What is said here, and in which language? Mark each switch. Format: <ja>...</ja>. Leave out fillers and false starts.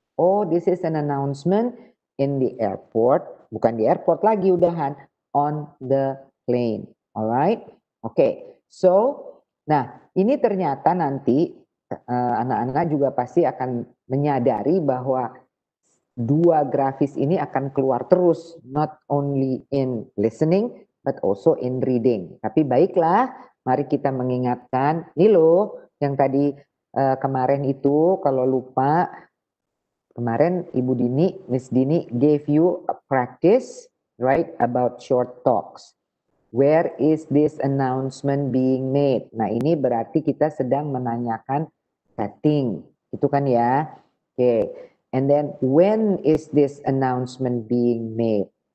<en>Oh, this is an announcement in the airport,</en> <id>bukan di airport lagi udahan.</id> <en>On the plane, alright, okay.</en> <id>So, nah ini ternyata nanti anak-anak juga pasti akan menyadari bahwa dua grafis ini akan keluar terus,</id> <en>not only in listening, but also in reading.</en> <id>Tapi baiklah, mari kita mengingatkan ini loh yang tadi kemarin itu kalau lupa kemarin Ibu Dini, Miss Dini</id> <en>gave you a practice. Right about short talks. Where is this announcement being made?</en> <id>Nah, ini berarti kita sedang menanyakan setting. Itu kan ya. Okay.</id> <en>And then when is this announcement being made?</en>